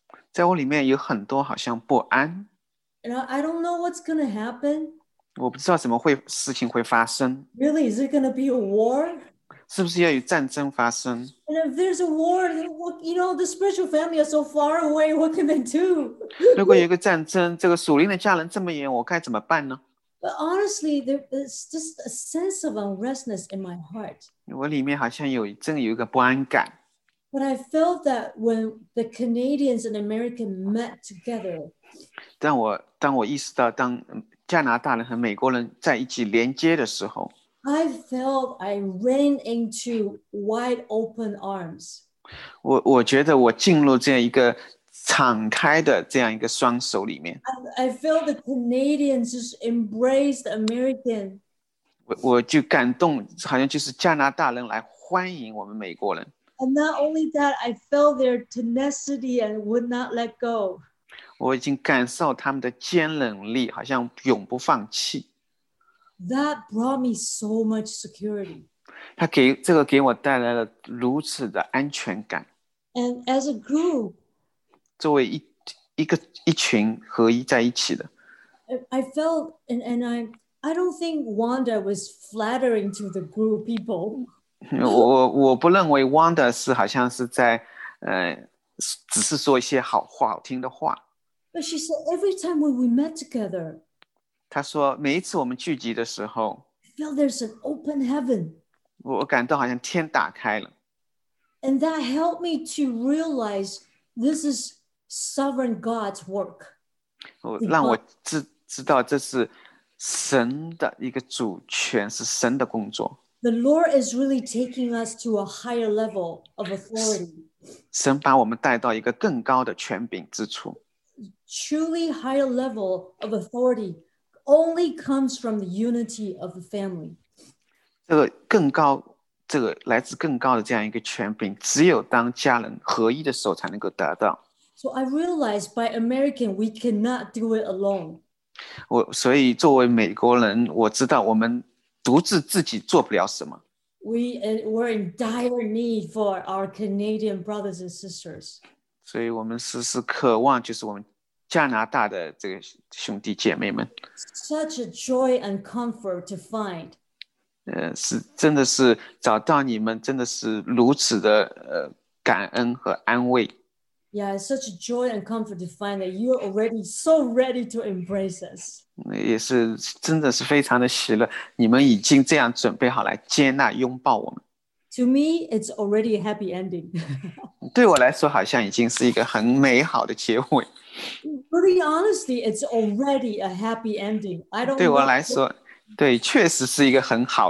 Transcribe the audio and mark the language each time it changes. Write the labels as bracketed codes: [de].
[zh] 在我里面有很多好像不安。 [en] And I don't know what's going to happen. [zh] 我不知道怎么会事情会发生。 [en] Really, is it going to be a war? [zh] 是不是要有战争发生？ [en] And if there's a war, you know, the spiritual family are so far away, what can they do? [zh] 如果有一个战争，这个属灵的家人这么远，我该怎么办呢？ [en] But honestly, there is just a sense of unrestness in my heart. [zh] 我里面好像有真有一个不安感。 [en] But I felt that when the Canadians and Americans met together, [zh] 当我意识到当加拿大人和美国人在一起连接的时候， [en] I felt I ran into wide open arms. [zh] 我觉得我进入这样一个敞开的这样一个双手里面。 [en] I felt the Canadians just embraced the American. [zh] 我就感动，好像就是加拿大人来欢迎我们美国人。 [en] And not only that, I felt their tenacity and would not let go. [zh] 我已经感受他们的坚韧力，好像永不放弃。 [en] That brought me so much security. [zh] 他给这个给我带来了如此的安全感。 [en] And as a group, [zh] 作为一群合一在一起的。 [en] I felt, and I don't think Wanda was flattering to the group people. [zh] 我不认为 Wanda 是好像是在只是说一些好话好听的话。 [en] But she said every time when we met together, [zh] 她说每一次我们聚集的时候， [en] I feel there's an open heaven. [zh] 我感到好像天打开了。 [en] And that helped me to realize this is sovereign God's work. [zh] 让我知道这是神的一个主权，是神的工作。 [en] The Lord is really taking us to a higher level of authority. [zh] 神把我们带到一个更高的权柄之处。 [en] Truly higher level of authority only comes from the unity of the family. [zh] 这个更高，这个来自更高的这样一个权柄，只有当家人合一的时候才能够得到。 [en] So I realized by American, we cannot do it alone. [zh] 所以作为美国人，我知道我们独自自己做不了什么。 [en] We were in dire need for our Canadian brothers and sisters. [zh] 所以我们时时渴望就是我们加拿大的这个兄弟姐妹们。 [en] Such a joy and comfort to find. [zh] 是真的是找到你们真的是如此的感恩和安慰。 [en] Yeah, it's such a joy and comfort to find that you're already so ready to embrace us. [zh] 也是真的是非常的喜乐，你们已经这样准备好来接纳拥抱我们。 [en] To me, it's already a happy ending. [zh] 对我来说好像已经是一个很美好的结尾。 [en] Really honestly, it's already a happy ending. I don't [zh] 对我来说，对，确实是一个很好的。